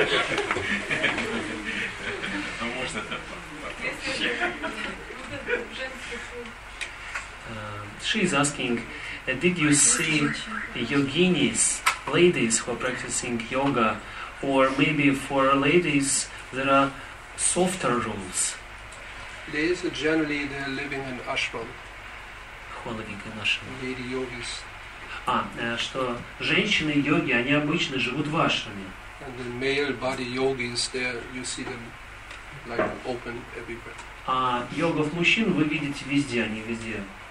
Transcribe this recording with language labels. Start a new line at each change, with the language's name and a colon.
Russian: Женщине строго соблюдать путь и аскезу строго соблюдать? Ну, можно это вообще. Если женский путь.
English: She is asking, did you see yoginis, ladies who are practicing yoga, or maybe for ladies there are softer rules? Ladies are generally they're living in ashram. Who are living in ashram? Lady yogis.
Russian: Что женщины-йоги, они обычно живут в ашраме.
English: And the male body yogis, there you see them like open everywhere.
Russian: А йогов мужчин вы видите везде, они везде.